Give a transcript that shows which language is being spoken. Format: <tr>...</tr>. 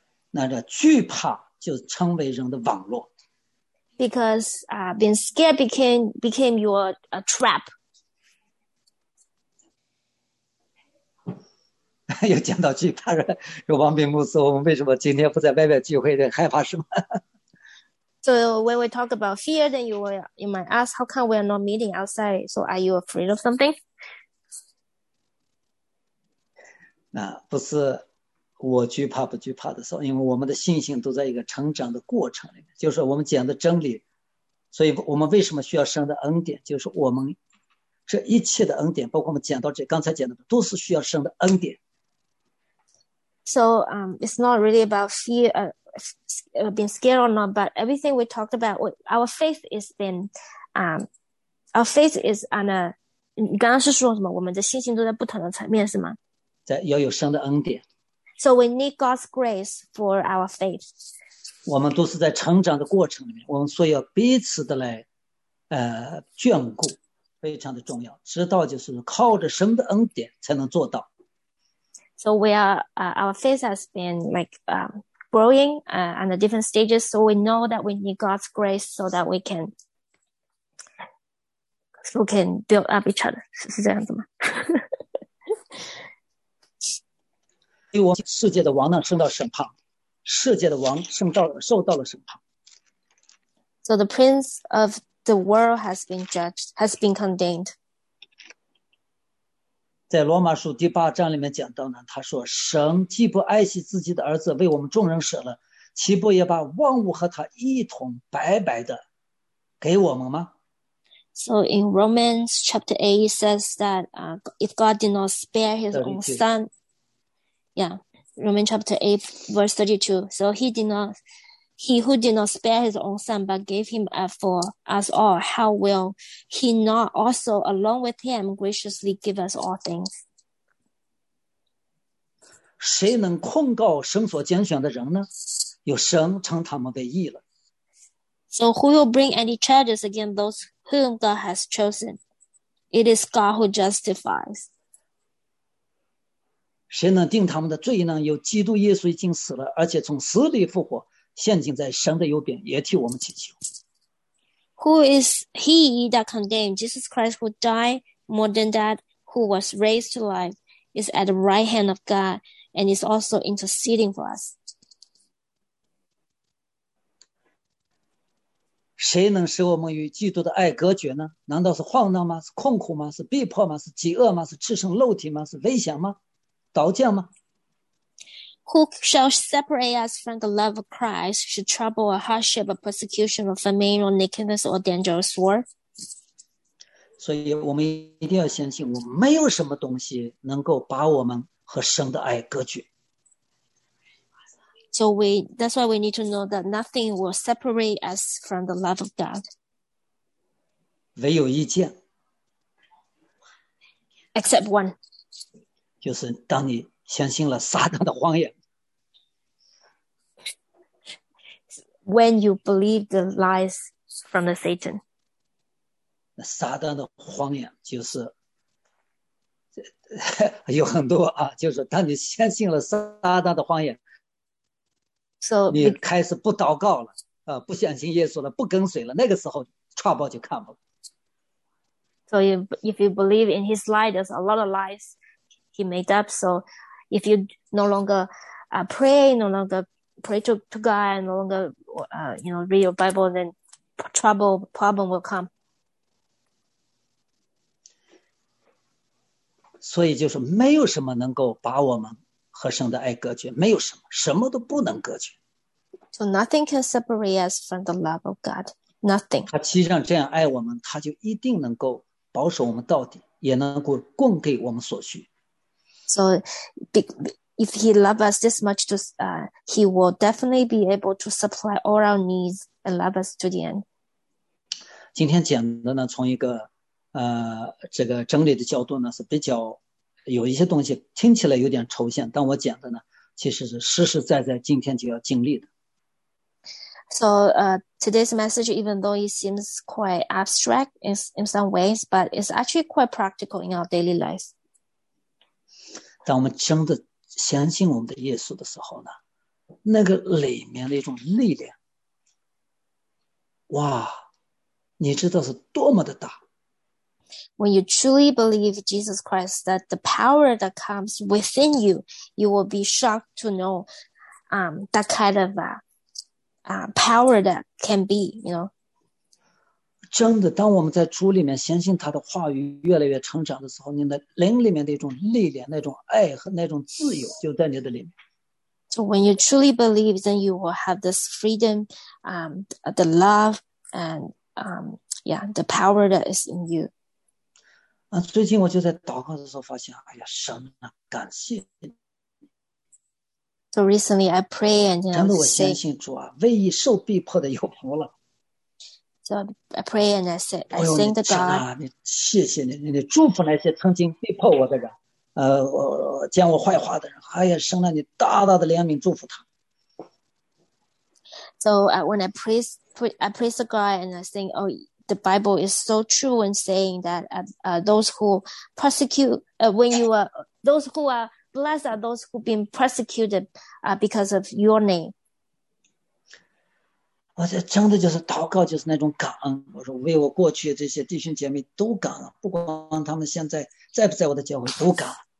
<zh>那这惧怕就成为人的网络。</zh> <en>Because being scared became your trap.</en> <zh>又讲到惧怕人，说王炳牧师，我们为什么今天不在外面聚会？害怕什么？</zh> <en>So when we talk about fear, then you might ask, how come we are not meeting outside? So are you afraid of something?</en> <zh>那不是我惧怕不惧怕的时候，因为我们的信心都在一个成长的过程里面，就是我们讲的真理。所以我们为什么需要神的恩典，就是我们这一切的恩典，包括我们讲到这刚才讲的都是需要神的恩典。</zh> <en>So it's not really about fear, being scared or not, but everything we talked about, our faith is been, our faith is on a,</en> <zh>你刚刚是说什么，我们的信心都在不同的层面是吗？在要有神的恩典。</zh> <en>So we need God's grace for our faith.</en> <zh>我们都是在成长的过程里面，我们所以要彼此的来眷顾，非常的重要。知道就是靠着神的恩典才能做到。</zh> <en>So we are, our faith has been like growing on the different stages, so we know that we need God's grace so that we can build up each other.</en> <zh>是这样子吗？世界的王呢，升到审判，世界的王受到了审判。</zh> <en>So the prince of the world has been judged, has been condemned.</en> <zh>在罗马书第八章里面讲到呢，他说：“神既不爱惜自己的儿子，为我们众人舍了，岂不也把万物和他一同白白的给我们吗？”</zh> <en>So in Romans chapter 8, it says that if God did not spare His own Son. Yeah, Romans chapter 8, verse 32. So he who did not spare his own son, but gave him up for us all, how will he not also, along with him, graciously give us all things?</en> <zh>谁能控告神所拣选的人呢？有神称他们为义了。</zh> <en>So who will bring any charges against those whom God has chosen? It is God who justifies.</en> <zh>谁能定他们的罪呢？有基督耶稣已经死了，而且从死里复活，现今在神的右边，也替我们祈求。</zh> <en>Who is he that condemned? Jesus Christ, who died, more than that, who was raised to life, is at the right hand of God, and is also interceding for us.</en> <zh>谁能使我们与基督的爱隔绝呢？难道是患难吗？是痛苦吗？是逼迫吗？是饥饿吗？是赤身肉体吗？是危险吗？刀剑吗？</zh> <en>Who shall separate us from the love of Christ? Should trouble or hardship or persecution or famine or nakedness or dangerous war?</en> <zh>所以我们一定要相信，我们没有什么东西能够把我们和神的爱隔绝。</zh> <en>So we, that's why we need to know that nothing will separate us from the love of God.</en> <zh>唯有一件。</zh> <en>Except one.</en> <zh>就是当你相信了撒旦的谎言。 When you believe the lies from the Satan. 撒旦的谎言就是有很多啊，就是当你相信了撒旦的谎言，你开始不祷告了，不相信耶稣了，不跟随了，那个时候</zh> <en>trouble</en> <zh>就</zh> <en>come</en> <zh>了。</zh> <en>So if you believe in his lie, there's a lot of lies he made up. So if you no longer pray, no longer pray to God, no longer you know, read your Bible, then problem will come.</en> <zh>所以就是没有什么能够把我们和神的爱隔绝，没有什么，什么都不能隔绝。</zh> <en>So nothing can separate us from the love of God. Nothing.</en> <zh>他既然这样爱我们，他就一定能够保守我们到底，也能够供给我们所需。</zh> <en>So if he loves us this much, he will definitely be able to supply all our needs and love us to the end.</en> <zh>今天讲的呢，从一个这个真理的角度呢，是比较有一些东西听起来有点抽象，但我讲的呢，其实是实实在在今天就要经历的。</zh> <en>So, today's message, even though it seems quite abstract in some ways, but it's actually quite practical in our daily lives.</en> <zh>当我们真的相信我们的耶稣的时候呢，那个里面的一种力量，哇，你知道是多么的大。</zh> <en>When you truly believe Jesus Christ, that the power that comes within you, you will be shocked to know that kind of power that can be, you know.</en> <zh>真的，当我们在主里面相信他的话语越来越成长的时候，你的灵里面的一种力量，那种爱和那种自由就在你的里面。</zh> <en>So when you truly believe, then you will have this freedom, the love, and the power that is in you.</en> <zh>最近我就在祷告的时候发现，哎呀，神啊，感谢你。</zh> <en>So recently I pray and you know,</en> <zh>真的我相信主啊，为义受逼迫的有福了。</zh> <en>So I pray and I say, I thank the God.</en> <zh>你谢谢你，你祝福那些曾经逼迫我的人，讲我坏话的人，哎呀，神啊，你大大的怜悯祝福他。</zh> <en>So when I praise the God and I think, oh, the Bible is so true in saying that those who persecute, when you are, those who are blessed are those who've been persecuted because of your name.</en> <zh>我这真的就是祷告，就是那种感恩。我说为我过去这些弟兄姐妹都感恩，不管他们现在在不在我的教会都感恩。</zh>